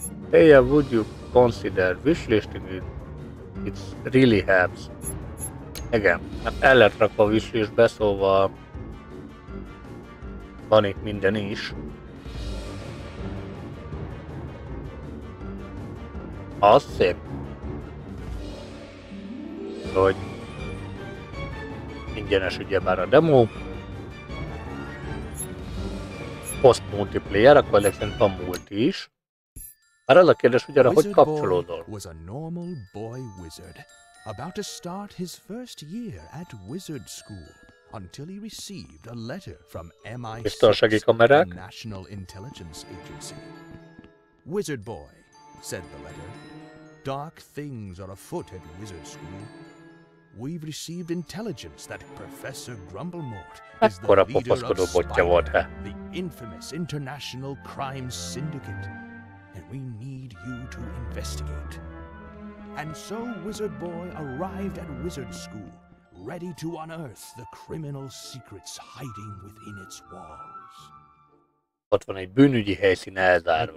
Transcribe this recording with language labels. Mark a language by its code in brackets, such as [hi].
[en] Hey, would you consider wishlisting it? It really helps. [hu] Igen, hát el lehet rakva a wishlistbe, szóval van itt minden is. Az szép. Hogy ingyenes ugyebár a demo. Post multiplayer, akkor ezek szerint van multi is. Már az a kérdés, hogy arra hogy kapcsolódol? [en] Was a normal boy wizard, about to start his first year at wizard school, until he received a letter from MI6, the National Intelligence Agency. Wizard boy, said the letter, dark things are afoot at wizard school. We've received intelligence that Professor Grumblemort is the leader of Spider, the infamous international crime syndicate, and we need you to investigate. And so Wizard Boy arrived at Wizard School, ready to unearth the criminal secrets hiding within its walls. [hu] Ott van egy bűnügyi helyszín elzárva.